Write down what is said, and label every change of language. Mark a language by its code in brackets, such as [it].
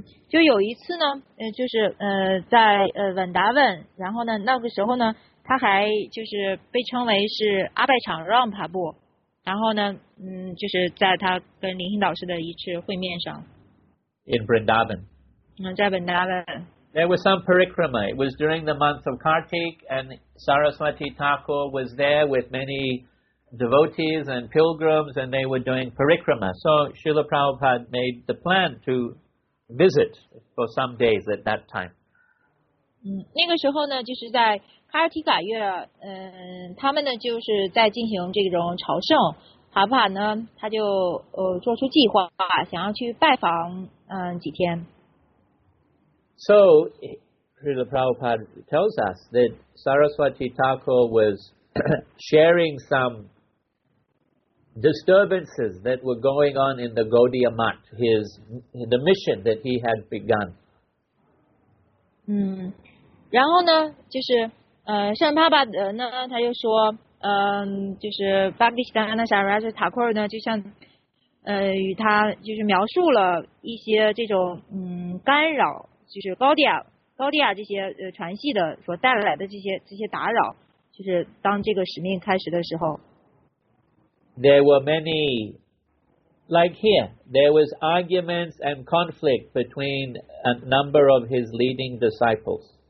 [zh] 就有一次呢，就是在文达文，然后呢，那个时候呢，他还就是被称为是阿拜场让帕布，然后呢，就是在他跟灵性导师的一次会面上。 [en] In Vrindavan. [zh] 在文达文。 [en] There was some parikrama. It was during the month of Kartik, and Saraswati Thakur was there with many devotees and pilgrims, and they were doing parikrama. So Srila Prabhupada made the plan to visit for some days at that time. [zh] 那个时候呢，就是在卡尔提嘎月，他们呢就是在进行这种朝圣。帕帕呢，他就做出计划，想要去拜访几天。 [en] So, Srila Prabhupada tells us that Saraswati Thakur was sharing some disturbances that were going on in the Gaudiya Math, the mission that he had begun. [zh] 然后呢，就是圣帕巴德呢，他就说，就是巴克蒂西达那沙拉斯塔库尔呢，就像与他就是描述了一些这种干扰。就是高迪亚这些传系的所带来的这些打扰，就是当这个使命开始的时候。 [en] There were many, like here, there was arguments and conflict between a number of his leading disciples.